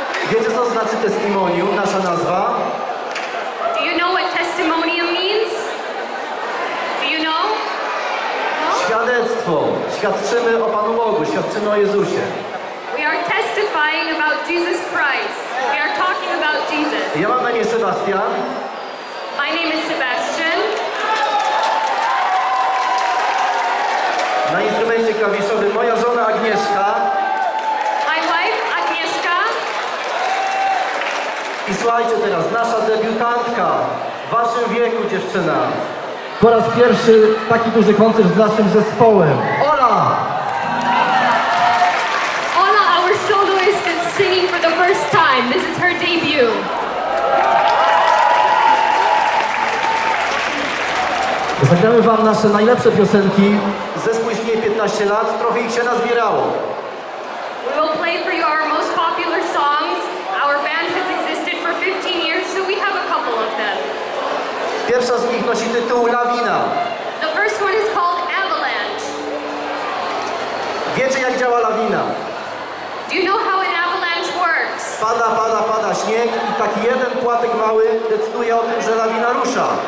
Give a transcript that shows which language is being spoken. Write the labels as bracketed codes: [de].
[pl] Wiecie, co znaczy testimonium, nasza nazwa? [en] Do you know what testimonium means? Do you know? [pl] No? Świadectwo. Świadczymy o Panu Bogu, świadczymy o Jezusie. [en] We are testifying about Jesus Christ. We are talking about Jesus. [pl] Ja mam na imię Sebastian. [en] My name is Sebastian. [pl] Na instrumencie klawiszowym moja żona Agnieszka. [en] My wife Agnieszka. [pl] I słuchajcie teraz, nasza debiutantka w waszym wieku, dziewczyna. Po raz pierwszy taki duży koncert z naszym zespołem. Ola! [en] Ola, our soloist is singing for the first time. This is her debut. [pl] Zagramy wam nasze najlepsze piosenki. Zespół istnieje 15 lat, trochę ich się nazbierało. [en] We will play for you our most popular songs. Our band has existed for 15 years, so we have a couple of them. [pl] Pierwsza z nich nosi tytuł Lawina. [en] The first one is called Avalanche. [pl] Wiecie, jak działa lawina? [en] Do you know how an avalanche works? [pl] Pada, pada, pada śnieg i taki jeden płatek mały decyduje o tym, że lawina rusza.